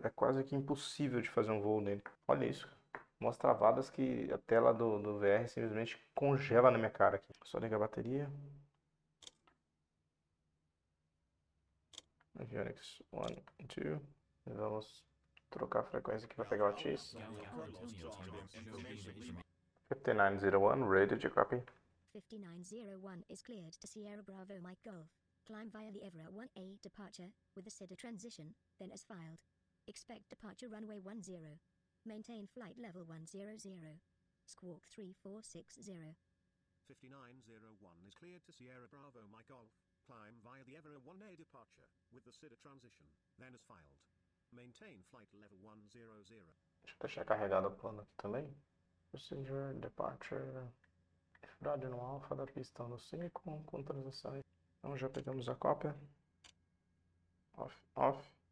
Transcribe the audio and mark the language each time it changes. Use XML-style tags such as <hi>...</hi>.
<pt>É quase que impossível de fazer um voo nele. Olha isso, umas travadas que a tela do VR simplesmente congela na minha cara aqui. Só ligar a bateria. Avionics 1, 2. Vamos trocar a frequência aqui para pegar o X.</pt> <en>5901, ready to copy. 5901 is cleared to Sierra Bravo Mike Golf. Climb via the Evra 1A departure with the SIDA transition, then as filed. Expect departure runway 10. Maintain flight level 100. Squawk 3460. 5901 is cleared to Sierra Bravo Mike Golf. Climb via the Evra 1A departure with the SIDA transition, then as filed. Maintain flight level 100.</en> <pt>Deixa eu deixar carregado o plano aqui também. Procedure, departure, Efrade no alfa da pista no 5, com transição. Então já pegamos a cópia. Off, off.</pt>